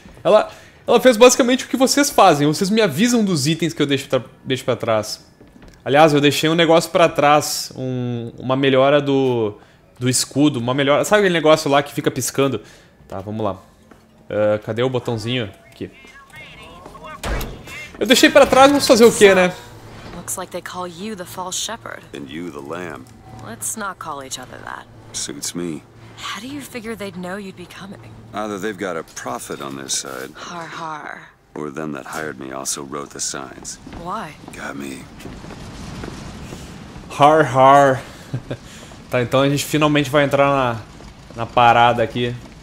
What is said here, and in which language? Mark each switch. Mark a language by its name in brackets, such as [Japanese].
[Portuguese] Ela fez basicamente o que vocês fazem. Vocês me avisam dos itens que eu deixo pra trás. Aliás, eu deixei um negócio pra trás, uma melhora do escudo, uma melhora. Sabe aquele negócio lá que fica piscando? Tá, vamos lá. Cadê o botãozinho? Aqui. Eu deixei pra trás, vamos fazer o quê, né? [English] Looks like they call you the false shepherd. And you the lamb. Let's not call each other that. Suits me. How do you figure they'd know you'd be coming? Either they've got a prophet on their side. Har har. Or them that hired me also wrote the signs. Why? Got me. Har har. [Portuguese] Tá, então a gente finalmente vai entrar na parada aqui.